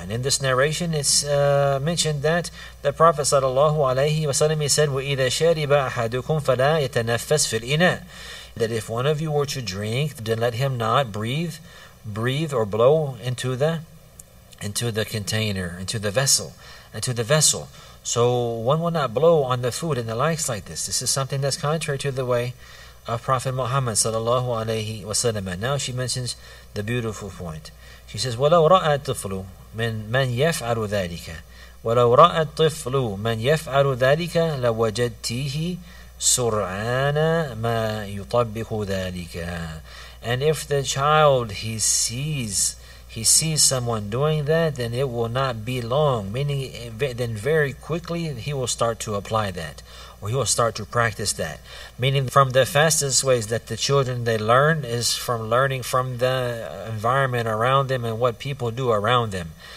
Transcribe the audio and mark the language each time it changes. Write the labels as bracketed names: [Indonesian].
[English] And in this narration it's mentioned that the Prophet sallallahu alayhi wa sallam said, [Arabic] وَإِذَا شَرِبَ أَحَدُكُمْ فَلَا يَتَنَفَّسْ فِي الْإِنَاءِ, [English] that if one of you were to drink, then let him not breathe or blow into the container, into the vessel. So one will not blow on the food and the likes like this. This is something that's contrary to the way of Prophet Muhammad sallallahu alayhi wa sallam. Now she mentions the beautiful point. She says, [Arabic] وَلَوْ رَأَى الطِّفْلُ مَنْ يَفْعَلُ ذَلِكَ وَلَوْ رَأَى الطِّفْلُ مَنْ يَفْعَلُ ذَلِكَ لَوَجَدْتِهِ سُرْعَانَ مَا يُطَبِّقُ ذَلِكَ. [English] And if the child, he sees someone doing that, then it will not be long, meaning then very quickly he will start to apply that, or he will start to practice that. Meaning from the fastest ways that the children, they learn is from learning from the environment around them and what people do around them.